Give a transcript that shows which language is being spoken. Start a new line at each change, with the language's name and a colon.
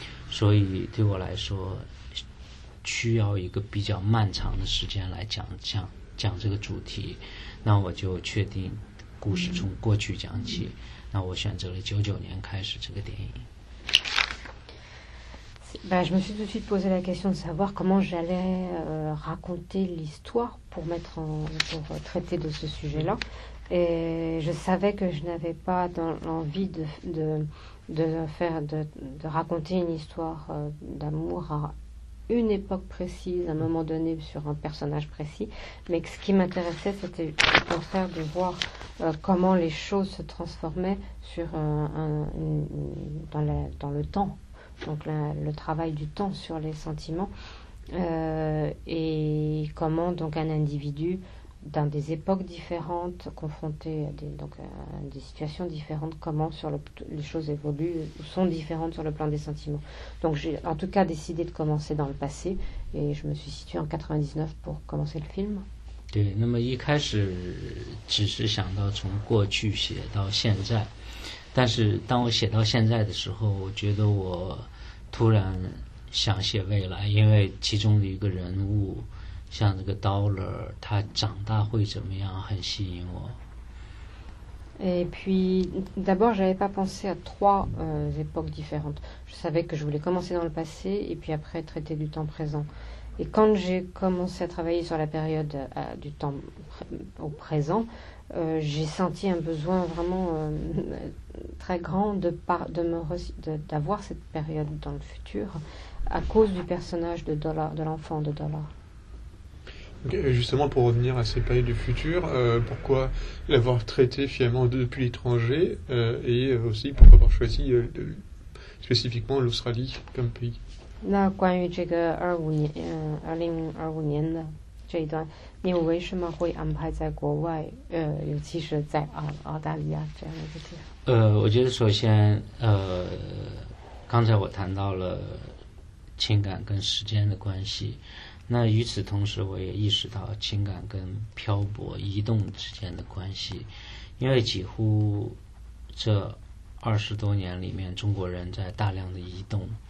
Chinese: 所以对我来说需要一个比较漫长的时间来讲这个主题，那我就确定故事从过去讲起，那我选择了1999年开始这个电影。
French: Ben, je me suis tout de suite posé la question de savoir comment j'allais raconter l'histoire pour traiter de ce sujet-là. Et je savais que je n'avais pas l'envie de raconter une histoire d'amour à une époque précise, à un moment donné, sur un personnage précis. Mais ce qui m'intéressait, c'était au contraire de voir comment les choses se transformaient dans le temps. Donc le travail du temps sur les sentiments et comment donc un individu dans des époques différentes confronté à des situations différentes, comment sur les choses évoluent ou sont différentes sur le plan des sentiments. Donc j'ai en tout cas décidé de commencer dans le passé et je me suis située en 99 pour commencer le film.
Chinese: 对，那么一开始只是想到从过去写到现在，但是当我写到现在的时候，我觉得我突然想写未来，因为其中的一个人物像这个 Dollar 他长大会怎么样很吸引我。
French: Et puis d'abord j'avais pas pensé à trois époques différentes. Je savais que je voulais commencer dans le passé et puis après traiter du temps présent. Et quand j'ai commencé à travailler sur la période du temps au présent, j'ai senti un besoin vraiment très grand d'avoir cette période dans le futur à cause du personnage de Dollar, de l'enfant de Dollar. Okay, justement, pour revenir à ces périodes du futur, pourquoi l'avoir traité finalement depuis l'étranger et aussi pourquoi avoir choisi spécifiquement l'Australie comme pays ?
Chinese: Là, 关于这个2025年的这一段，你为什么会安排在国外？尤其是在澳大利亚这样一个地方？我觉得首先，刚才我谈到了情感跟时间的关系，那与此同时，我也意识到情感跟漂泊、移动之间的关系，因为几乎这20多年里面，中国人在大量的移动，